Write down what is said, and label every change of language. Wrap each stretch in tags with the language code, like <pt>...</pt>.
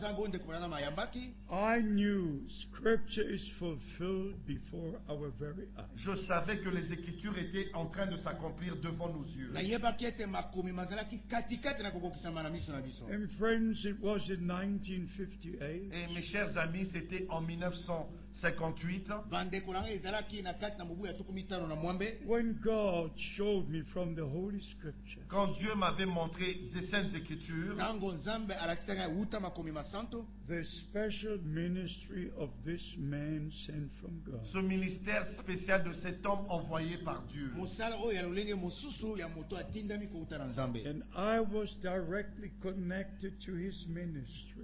<en>I knew scripture is fulfilled before our very eyes.</en> <fr>Je savais que les écritures étaient en train de s'accomplir devant nos yeux.</fr> <en>And friends, it was in 1958.</en> <fr>Et mes chers amis, c'était en 1958.</fr> <en>When God showed me from the Holy Scripture.</en> <fr>Quand Dieu m'avait montré des saintes écritures.</fr> <en>The special ministry of this man sent from God.</en> <fr>Ce ministère spécial de cet homme envoyé par Dieu.</fr> <en>And I was directly connected to his ministry.</en>